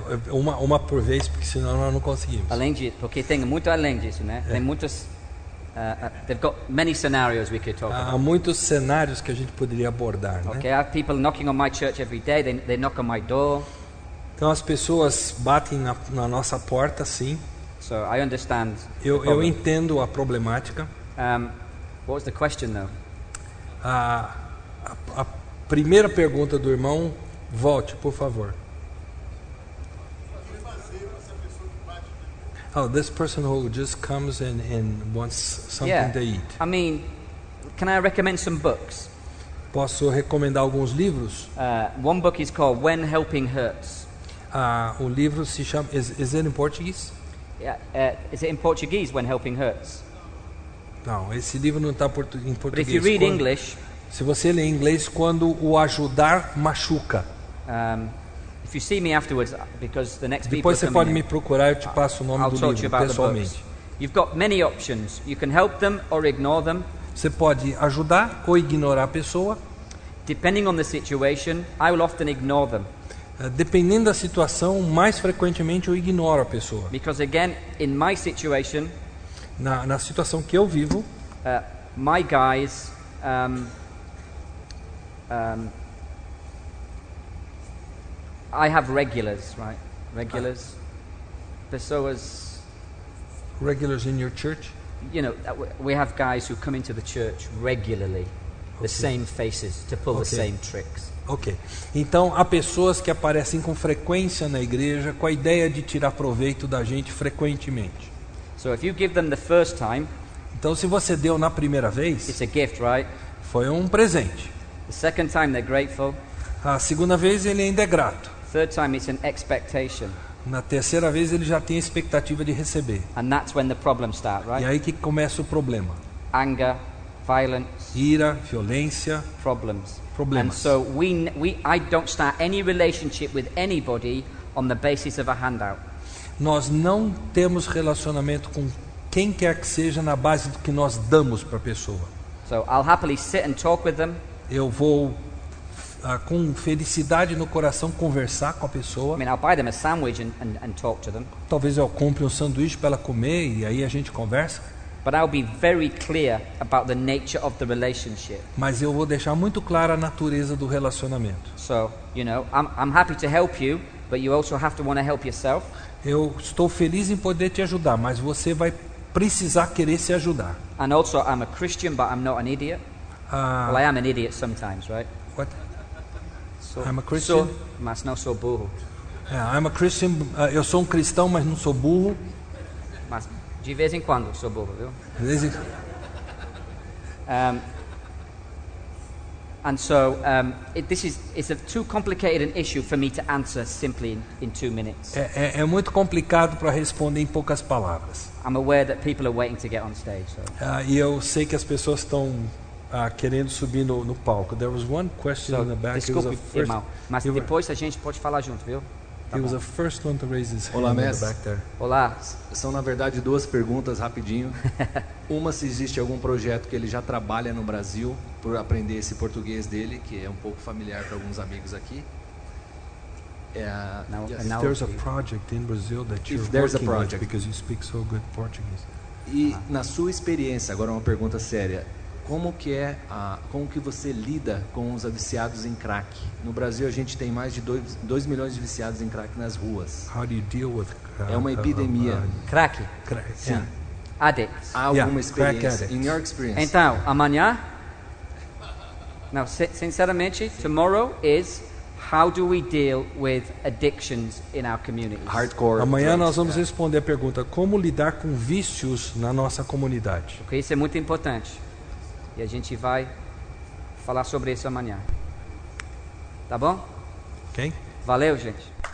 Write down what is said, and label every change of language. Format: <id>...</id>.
<pt>Uma por vez, porque senão nós não conseguimos. Além disso, porque tem muito além disso, né? É. Tem muitos.</pt> <en>They've got many scenarios we could talk about.</en> <pt>Há muitos cenários que a gente poderia abordar, né?</pt> <en>Okay, I have people knocking on my church every day. They knock on my door.</en> <pt>Então as pessoas batem na nossa porta, sim.</pt> <en>So I understand.</en> <pt>Eu entendo a problemática.</pt> <en>What was the question, though?</en> <pt>A primeira pergunta do irmão, volte, por favor.</pt> <en>Oh, this person who just comes in and wants something to eat. I mean, can I recommend some books?</en> <pt>Posso recomendar alguns livros?</pt> <en>One book is called When Helping Hurts.</en> <pt>O livro se chama.</pt> <en>Is it in Portuguese? Yeah. Is it in Portuguese? When Helping Hurts.</en> <pt>Não, esse livro não está em português.</pt> <en>But if you read English.</en> <pt>Se você lê em inglês, quando o ajudar machuca.</pt> <en>If you see me afterwards, because the next people</en> <pt>depois você pode me procurar, eu te passo o nome</pt> <en>I'll</en> <pt>do livro</pt> <en>you</en> <pt>pessoalmente.</pt> <en>You've got many options. You can help them or ignore them.</en> <pt>Você pode ajudar ou ignorar a pessoa.</pt> <en>Depending on the situation, I will often ignore them.</en> <pt>Dependendo da situação, mais frequentemente eu ignoro a pessoa.</pt> <en>Because again, in my situation,</en> <pt>na situação que eu vivo,</pt> <en>my guys. I have regulars, right? Regulars.</en> <pt>Pessoas.</pt> <en>Regulars in your church? You know, we have guys who come into the church regularly. Okay. The same faces to pull the same tricks. Okay.</en> <pt>Então, há pessoas que aparecem com frequência na igreja com a ideia de tirar proveito da gente frequentemente.</pt> <en>So if you give them the first time.</en> <pt>Então, se você deu na primeira vez.</pt> <en>It's a gift, right?</en> <pt>Foi um presente.</pt> <en>The second time they're grateful.</en> <pt>A segunda vez ele ainda é grato.</pt> <en>Third time it's an expectation.</en> <pt>Na terceira vez ele já tem a expectativa de receber.</pt> <en>And that's when the problem start, right?</en> <pt>E aí que começa o problema.</pt> <en>Anger, violence,</en> <pt>ira, violência, problemas.</pt> <en>And so I don't start any relationship with anybody on the basis of a handout.</en> <pt>Nós não temos relacionamento com quem quer que seja na base do que nós damos para a pessoa.</pt> <en>So I'll happily sit and talk with them.</en> <pt>Eu vou com felicidade no coração conversar com a pessoa.</pt> <en>I mean, I'll buy them a sandwich and talk to them.</en> <pt>Talvez eu compre um sanduíche para ela comer e aí a gente conversa.</pt> <en>But I'll be very clear about the nature of the relationship.</en> <pt>Mas eu vou deixar muito clara a natureza do relacionamento.</pt> <en>So, you know, I'm happy to help you, but you also have to want to help yourself.</en> <pt>Eu estou feliz em poder te ajudar, mas você vai precisar querer se ajudar.</pt> <en>And also, I'm a Christian, but I'm not an idiot. Well, I am an idiot sometimes, right? What? I'm a Christian.</en> <pt>Mas não sou burro.</pt> <en>Yeah, I'm a Christian.</en> <pt>Eu sou um cristão, mas não sou burro. Mas de vez em quando sou burro, viu? De vez em</pt> <en>And so this is a too complicated an issue for me to answer simply in 2 minutes.</en> <pt>É muito complicado para responder em poucas palavras.</pt> <en>I'm aware that people are waiting to get on stage. So.</en> <pt>E eu sei que as pessoas estão querendo subir no palco.</pt> <en>There was one question so, in the back.</en> <pt>Desculpe, irmão, mas depois a gente pode falar junto, viu?</pt> <en>He was the first one to raise his hand.</en> <pt>Olá,</pt> <en>mestre. Back there.</en> <pt>Olá. São na verdade duas perguntas rapidinho. Uma, se existe algum projeto que ele já trabalha no Brasil por aprender esse português dele, que é um pouco familiar para alguns amigos aqui.</pt> <en>If there's a project in Brazil that you're working with because you speak so good Portuguese.</en> <pt>E na sua experiência, agora uma pergunta séria. como que você lida com os viciados em crack? No Brasil a gente tem mais de 2 milhões de viciados em crack nas ruas.</pt> <en>How do you deal with</en> <pt>crack? É uma epidemia.</pt> <en>Crack.</en> <pt>Sim.</pt> <en>Addicts.</en> <pt>Há alguma experiência?</pt> <en>In your experience.</en> <pt>Então, amanhã? Não, sinceramente,</pt> <en>tomorrow is how do we deal with addictions in our communities? Hardcore.</en> <pt>Amanhã nós vamos responder a pergunta: como lidar com vícios na nossa comunidade? Okay, isso é muito importante. E a gente vai falar sobre isso amanhã. Tá bom? Ok. Valeu, gente.</pt>